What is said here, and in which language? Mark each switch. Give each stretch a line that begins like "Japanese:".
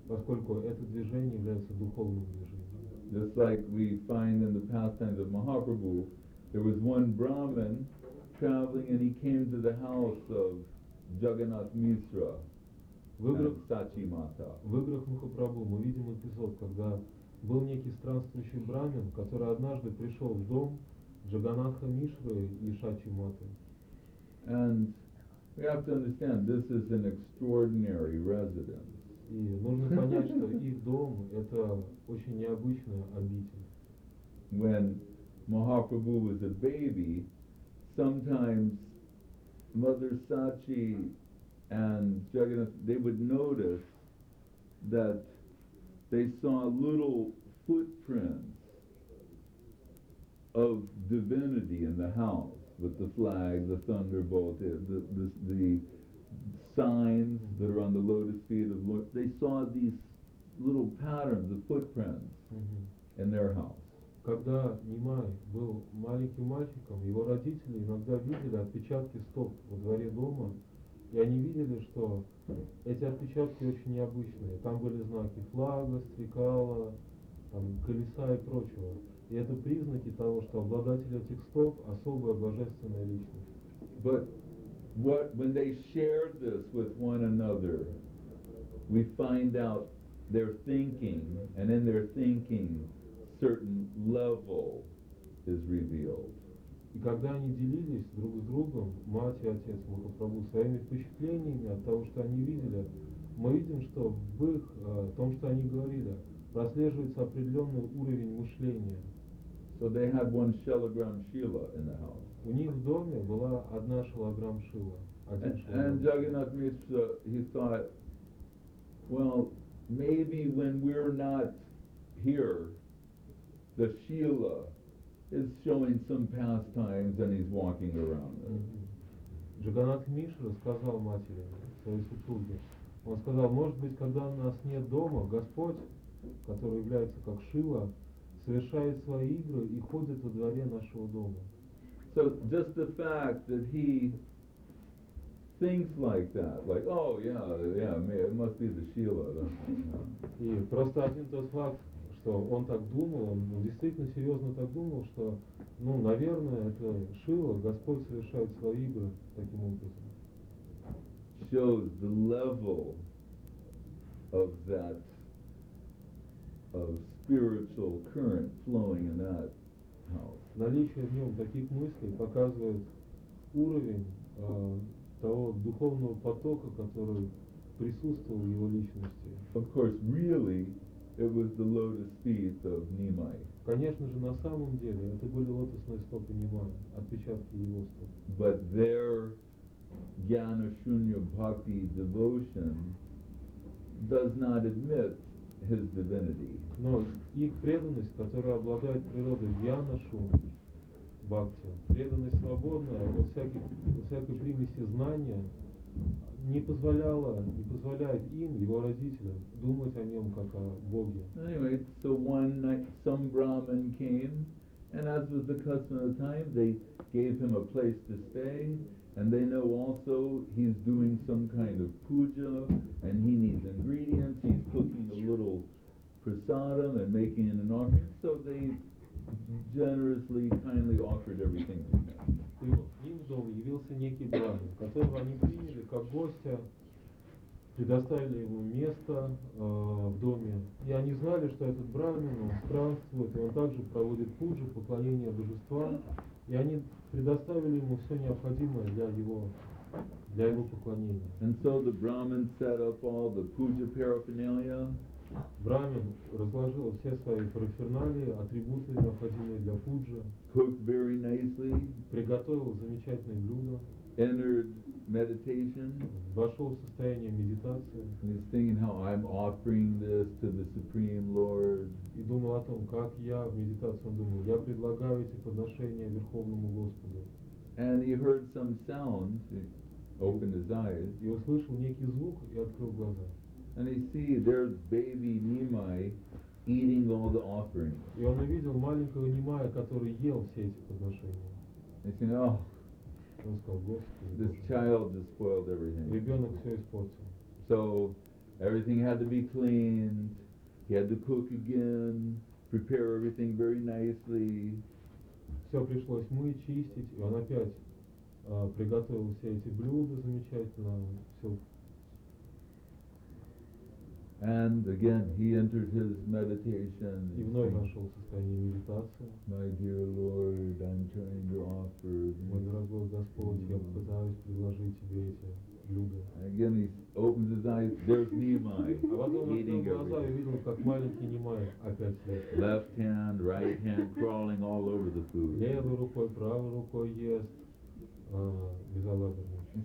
Russian: Поскольку это движение является духовным движением.
English: Just like we find in the pastimes of Mahaprabhu, there was one Brahmin traveling and he came to the house of Jagannath Misra
Russian: Выграх,
English: and Sachi Mata.
Russian: Выграх Махапрабху, мы видим эпизод, когда был некий странствующий Брамин, который однажды пришел в дом Джаганатха Мишры и Сачи Маты.
English: And we have to understand, this is an extraordinary residence.
Russian: И нужно понять, что их дом – это очень необычная обитель.
English: When Mahaprabhu was a baby, sometimes Mother Sachi and Jagannath, they would notice that they saw little footprints of divinity in the house, with the flag, the thunderbolt, the signs that are on the lotus feet of Lord. They saw these little patterns, the footprints in their house.
Russian: Когда Нимай был маленьким мальчиком, его родители иногда видели отпечатки стоп во дворе дома, и они видели, что эти отпечатки очень необычные. Там были знаки флага, стрекала, там, колеса и прочего. И это признаки того, что обладатель этих стоп – особая божественная личность.
English: But what, when they shared this with one another, we find out their thinking, and in their thinking, certain level is revealed.
Russian: И когда они делились друг с другом, мать и отец Махапрабху, своими впечатлениями от того, что они видели, мы видим, что в их, том, что они говорили, прослеживается определенный уровень мышления.
English: So they had one Shalagram Shila in the house.
Russian: У них в доме была одна Shalagram Shila.
English: And Jagannath Mishra, he thought, well, maybe when we're not here, the Shila is showing some pastimes and he's walking around.
Russian: Джаганнат Мишра сказал матери, своей супруге, он сказал, может быть, когда нас нет дома, Господь, который является как Шила, совершает свои игры и ходит во дворе нашего дома.
English: So just the fact that he thinks like that, like, oh yeah, it must be the Shila.
Russian: И просто один тот факт, что он так думал, он действительно серьезно так думал, что, ну, наверное, это Шила, Господь совершает свои игры таким образом.
English: Shows the level of that, of spiritual current flowing in that house.
Russian: Наличие в нем таких мыслей показывает уровень того духовного потока, который присутствовал в его личности.
English: Of course, really, it was the lotus feet of Nimai.
Russian: Конечно же, на самом деле, это были лотосные стопы Нимая, отпечатки его стоп.
English: But their jnana shunya bhakti devotion does not admit his divinity.
Russian: Но их преданность, которая обладает природой jnana shunya bhakti, преданность свободная, вот всякой примеси знания, не позволяла, не позволяет им, его родителям, думать о нем как о Боге.
English: Anyway, so one night some Brahmin came, and as was the custom of the time, they gave him a place to stay, and they know also he's doing some kind of puja, and he needs ingredients, he's cooking a little prasadam and making an offering, so they generously, kindly offered everything to him.
Russian: Им в дом явился некий брахман, которого они приняли как гостя, предоставили ему место в доме. И они знали, что этот брахман, он странствует, и он также проводит пуджу, поклонение божествам. И они предоставили ему все необходимое для его поклонения.
English: And so the brahman set up all the puja paraphernalia.
Russian: Брахмин разложил все свои параферналии, атрибуты, необходимые для пуджи.
English: Cooked very nicely.
Russian: Приготовил замечательное блюдо.
English: Entered meditation.
Russian: Вошел в состояние медитации.
English: And he's thinking how I'm offering this to the Supreme Lord.
Russian: И думал о том, как я в медитации, он думал, я предлагаю эти подношения Верховному Господу.
English: And he heard some sound. He opened his eyes.
Russian: И услышал некий звук и открыл глаза.
English: And he see there's baby Nimai eating all the offerings.
Russian: И он увидел маленького Нимая, который ел все эти подношения.
English: He said, "Oh,
Russian: он сказал, Господи,
English: this child just spoiled everything."
Russian: Ребенок все испортил.
English: So everything had to be cleaned. He had to cook again, prepare everything very nicely.
Russian: Все пришлось мыть, чистить, и он опять приготовил все эти блюда замечательно, все.
English: And again, he entered his meditation.
Russian: И вновь вошел в состояние медитации.
English: My dear Lord, I'm trying to offer.
Russian: Мой дорогой Господь, я пытаюсь предложить тебе эти блюда.
English: Again, he opens his eyes. There's Nimai.
Russian: А потом открыл глаза и видел, как маленький Нимай опять съест.
English: Left hand, right hand, crawling all over the food.
Russian: Левой рукой, правой рукой ест безалаберно.